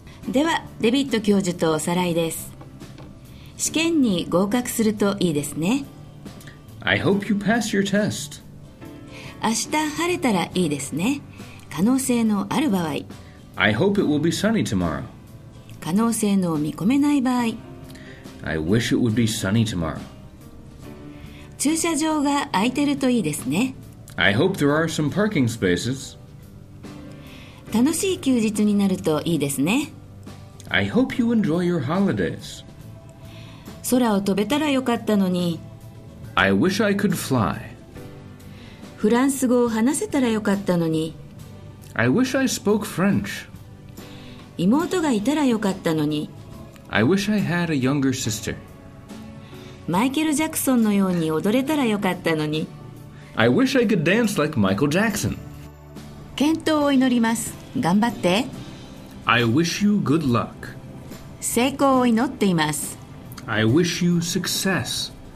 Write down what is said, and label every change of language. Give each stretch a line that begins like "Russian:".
Japanese: ではデビッド教授とおさらいです。試験に合格するといいですね。
English: I hope you pass your test。
Japanese: 明日晴れたらいいですね。可能性のある場合、
English: I hope it will be sunny tomorrow。
Japanese: 可能性の見込めない場合、
English: I wish it would be sunny tomorrow。
Japanese: 駐車場が空いてるといいですね。
English: I hope there are some parking spaces。
Japanese: 楽しい休日になるといいですね。
English: I hope you enjoy your holidays。
Japanese: 空を飛べたらよかったのに。
English: I wish I could fly。
Japanese: フランス語を話せたらよかったのに。
English: I wish I spoke French。
Japanese: 妹がいたらよかったのに。
English: I wish I had a younger sister。
Japanese: マイケル・ジャクソンのように踊れたらよかったのに。
English: I wish I could dance like Michael Jackson。
Japanese: 健闘を祈ります、頑張って。
English: I wish you good luck。
Japanese: 成功を祈っています。
English: I wish you success。